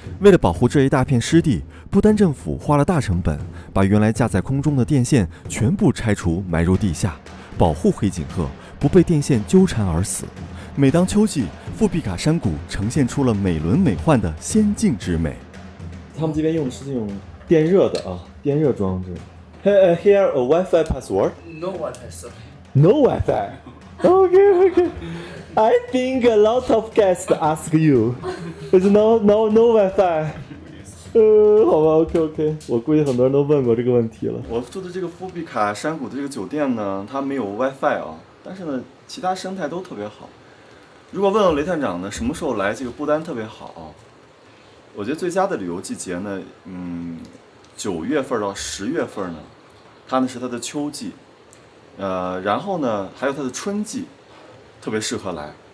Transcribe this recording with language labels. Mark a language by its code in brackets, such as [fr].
[zh] 为了保护这一大片湿地，不丹政府花了大成本把原来架在空中的电线全部拆除埋入地下，保护黑颈鹤不被电线纠缠而死。每当秋季，富毕卡山谷呈现出了美轮美奂的仙境之美。他们这边用的是这种电热的啊，电热装置。 [en] Here a Wi-Fi password? No Wi-Fi, sir. No Wi-Fi? Okay, okay. I think a lot of guests ask you. It's no Wi-Fi. [zh] 好吧 ，OK OK， 我估计很多人都问过这个问题了。我住的这个富毕卡山谷的这个酒店呢，它没有 WiFi 啊，但是呢，其他生态都特别好。如果问了雷探长呢，什么时候来这个不丹特别好？我觉得最佳的旅游季节呢，九月份到十月份呢，它呢是它的秋季，然后呢还有它的春季，特别适合来。